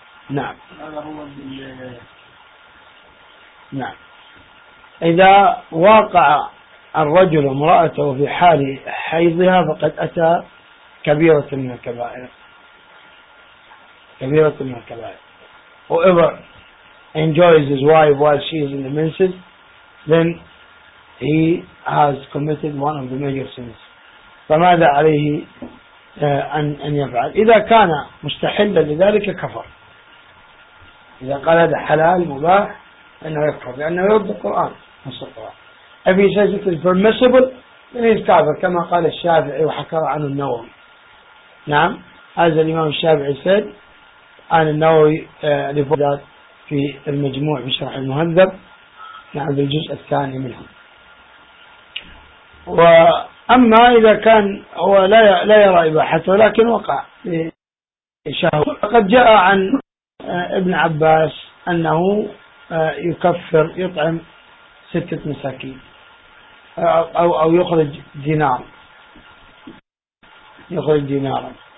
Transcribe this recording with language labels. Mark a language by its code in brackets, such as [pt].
[ar] نعم هذا هو ال نعم. إذا واقع الرجل امرأته في حال حيضها فقد أتى كبيرة من الكبائر كبيرة من الكبائر. [en] Whoever enjoys his wife while she is in the menses, then he has committed one of the major sins. [ar] فماذا عليه أن يفعل؟ إذا كان مستحلا لذلك كفر. إذا قال هذا حلال مباح أنه يكفر لأنه يرد القرآن نص القرآن. [en] If he says it is permissible, then he is kafir, [ar] كما قال الشافعي وحكى عن النووي. نعم هذا الإمام الشافعي said عن النووي لفضلات في المجموع بشرح المهذب نعم بالجزء الثاني منه. وأما إذا كان هو لا يرى إباحة ولكن وقع شهوة فقد جاء عن ابن عباس أنه يكفر يطعم ستة مساكين أو يخرج دينار يخرج دينارا.